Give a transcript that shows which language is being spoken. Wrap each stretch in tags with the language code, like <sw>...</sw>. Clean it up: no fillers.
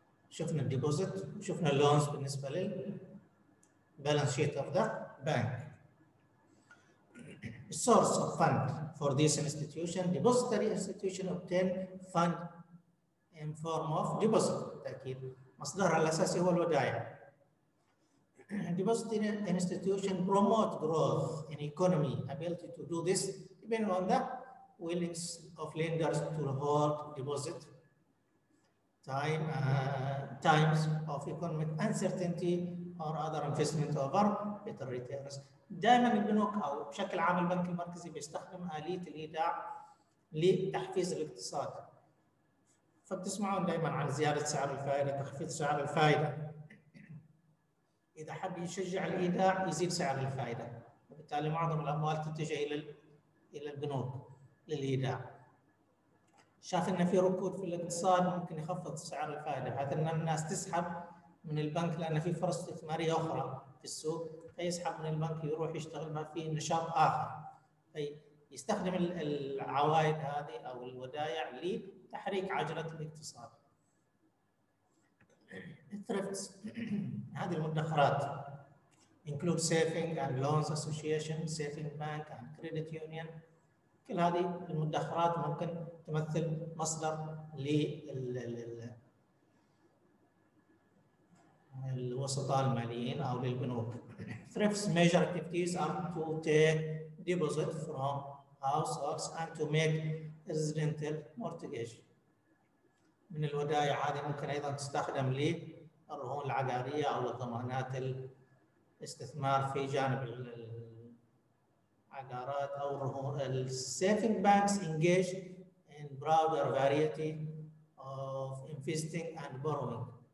<ar>شفنا الديبوزيت وشفنا اللونز بالنسبة للبالانس شيت اوف ذا بانك.</ar> <en>Source of fund for this institution. Depository institution obtain fund in form of deposit.</en> <ar>بالتأكيد مصدرها الأساسي هو الودائع.</ar> <en>Depository institution promote growth in economy, ability to do this depending on the willingness of lenders to hold deposit. Times of economic uncertainty or other investment over better returns.</en> <ar>دائما البنوك او بشكل عام البنك المركزي بيستخدم آلية الإيداع لتحفيز الاقتصاد. فبتسمعون دائما عن زيادة سعر الفائدة، تخفيض سعر الفائدة. إذا حب يشجع الإيداع يزيد سعر الفائدة، وبالتالي معظم الأموال تتجه إلى البنوك للإيداع. شاف إن في ركود في الاقتصاد ممكن يخفض سعر الفائدة بحيث إن الناس تسحب من البنك لأن في فرص استثمارية أخرى في السوق، فيسحب من البنك يروح يشتغل ما في نشاط آخر، فيستخدم العوائد هذه أو الودائع لتحريك عجلة الاقتصاد.</ar> <en>Thrifts</en> <ar>هذه المدخرات</ar> <en>include saving and loans association, saving bank and credit union.</en> <ar>كل هذه المدخرات ممكن تمثل مصدر للوسطاء الماليين أو للبنوك.</ar> <en>Thrifts major activities are to take deposit from households and to make residential mortgage.</en> <ar>من الودائع هذه ممكن أيضا تستخدم ل الرهون العقارية أو الضمانات الاستثمار في جانب العقارات أو الرهون.</ar> <en>Saving banks engage in broader variety of investing and borrowing.</en>